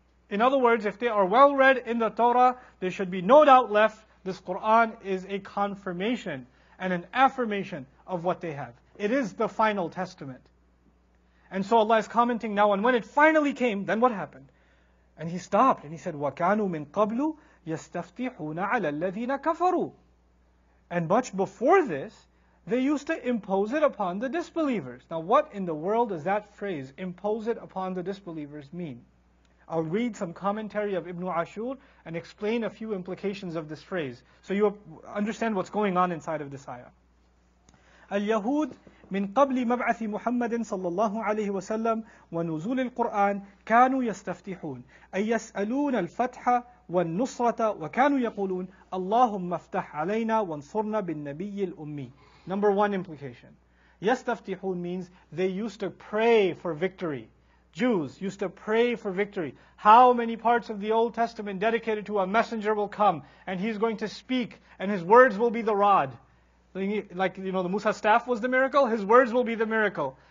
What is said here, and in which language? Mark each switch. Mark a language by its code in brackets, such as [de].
[en] In other words, if they are well read in the Torah, there should be no doubt left, this Qur'an is a confirmation and an affirmation of what they have. It is the final testament. And so Allah is commenting now, and when it finally came, then what happened? And he stopped and he said, [ar] وَكَانُوا مِنْ قَبْلُ يَسْتَفْتِحُونَ عَلَى الَّذِينَ كَفَرُوا. [en] And much before this, they used to impose it upon the disbelievers. Now what in the world does that phrase, impose it upon the disbelievers, mean? I'll read some commentary of Ibn Ashur and explain a few implications of this phrase, so you understand what's going on inside of this ayah. [ar] اليهود من قبل مبعث محمد صلى الله عليه وسلم ونزول القرآن كانوا يستفتحون أي يسألون الفتح والنصرة وكانوا يقولون اللهم افتح علينا وانصرنا بالنبي الأمي. [en] Number one implication. يستفتحون means they used to pray for victory. Jews used to pray for victory. How many parts of the Old Testament dedicated to a messenger will come and he's going to speak and his words will be the rod. Like, you know, the Musa staff was the miracle, his words will be the miracle.